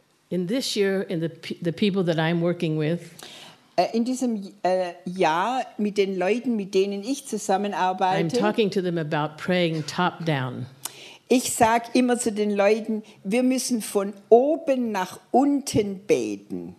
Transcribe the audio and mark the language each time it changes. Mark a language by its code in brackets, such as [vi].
[en] In this year, in the people that I'm working with. [de] In diesem Jahr mit den Leuten, mit denen ich zusammenarbeite. [en] I'm talking to them about praying top down. [de] Ich sage immer zu den Leuten, wir müssen von oben nach unten beten.